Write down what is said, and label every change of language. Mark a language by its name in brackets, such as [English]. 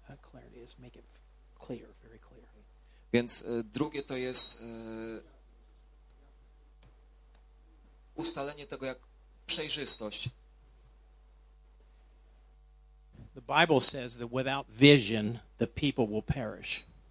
[English] Clarity is make it clear, very clear. [Polish] Więc drugie to jest ustalenie tego jak przejrzystość. [English] The Bible says that without vision the people will perish.